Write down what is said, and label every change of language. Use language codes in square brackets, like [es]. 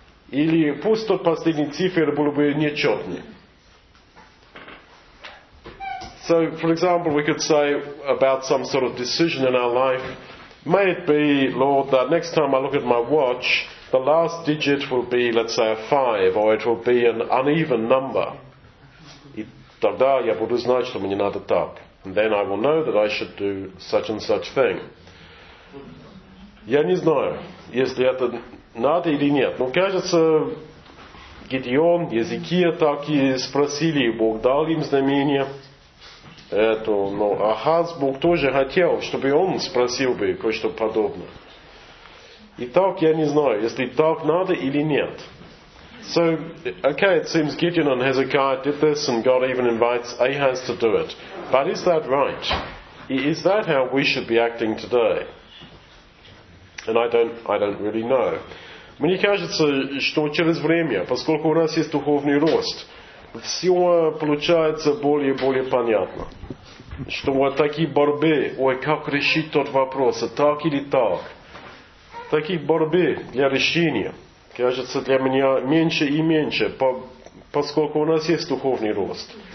[ru] Или пусть тот последний цифр был бы нечетный. [en] So, for example, we could say about some sort of decision in our life, may it be, Lord, that next time I look at my watch, the last digit will be, let's say, a 5, or it will be an uneven number. [ru] Тогда я буду знать, что мне надо так. [en] And then I will know that I should do such and such thing. [ru] Я не знаю, если это надо или нет. Но кажется, Гидеон, Езекия так и спросили, и Бог дал им знамение. Но Ахаз, Бог тоже хотел, чтобы он спросил бы кое-что подобное. Итак, я не знаю, если так надо или нет. [en] So, okay, it seems Gideon and Hezekiah did this and God even invites Ahaz to do it. But is that right? Is that how we should be acting today? And I don't really know. [ru] Мне кажется, что через время, поскольку у нас есть духовный рост, все получается более и более понятно. Что такие борьбы, как решить тот вопрос, так или так. Такие борьбы для решения. Кажется, для меня меньше и меньше, поскольку у нас есть духовный рост.